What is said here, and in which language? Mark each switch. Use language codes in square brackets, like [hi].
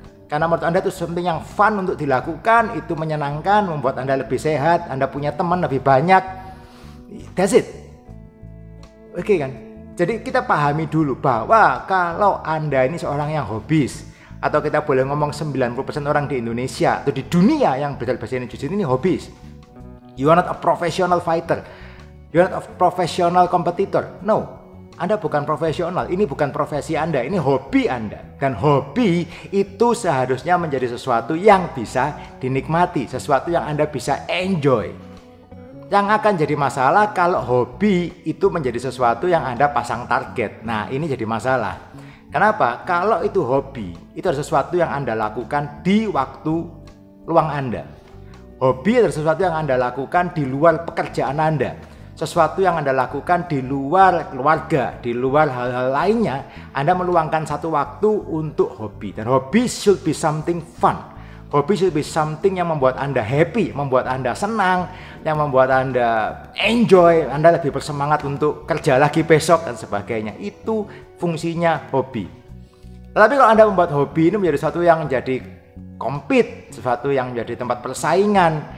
[id] Karena menurut Anda itu sesuatu yang fun untuk dilakukan, itu menyenangkan, membuat Anda lebih sehat, Anda punya teman lebih banyak, [en] that's it. [id] Oke kan? Jadi kita pahami dulu bahwa kalau Anda ini seorang yang hobis, atau kita boleh ngomong 90% orang di Indonesia atau di dunia yang belajar Brazilian Jiu-Jitsu ini hobis. [en] You are not a professional fighter. You are not a professional competitor. [id] No. Anda bukan profesional. Ini bukan profesi Anda. Ini hobi Anda. Dan hobi itu seharusnya menjadi sesuatu yang bisa dinikmati. Sesuatu yang Anda bisa enjoy. Yang akan jadi masalah kalau hobi itu menjadi sesuatu yang Anda pasang target. Nah, ini jadi masalah. Kenapa? Kalau itu hobi, itu adalah sesuatu yang Anda lakukan di waktu luang Anda. Hobi adalah sesuatu yang Anda lakukan di luar pekerjaan Anda. Sesuatu yang Anda lakukan di luar keluarga, di luar hal-hal lainnya, Anda meluangkan satu waktu untuk hobi. Dan hobi [en] should be something fun. [id] Hobi [en] should be something [id] yang membuat Anda happy, membuat Anda senang, yang membuat Anda enjoy, Anda lebih bersemangat untuk kerja lagi besok dan sebagainya. Itu fungsinya hobi. Tapi kalau Anda membuat hobi ini menjadi sesuatu yang jadi compete, sesuatu yang menjadi tempat persaingan,